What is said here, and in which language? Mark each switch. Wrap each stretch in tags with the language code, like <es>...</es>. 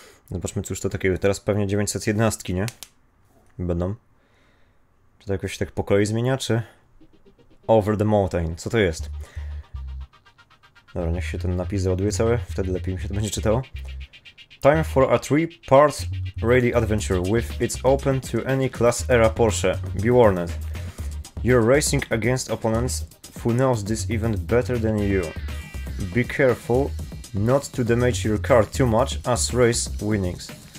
<pl>Zobaczmy, cóż to takiego. Teraz pewnie 911, nie? Będą. Czy to jakoś tak po kolei zmienia, czy...</pl> <en>Over the mountain,</en> <pl>co to jest? Dobra, niech się ten napis załaduje cały, wtedy lepiej mi się to będzie czytało.</pl> <en>Time for a three-part rally adventure with it's open to any class era Porsche. Be warned. You're racing against opponents who knows this event better than you. Be careful not to damage your car too much as race winnings.</en>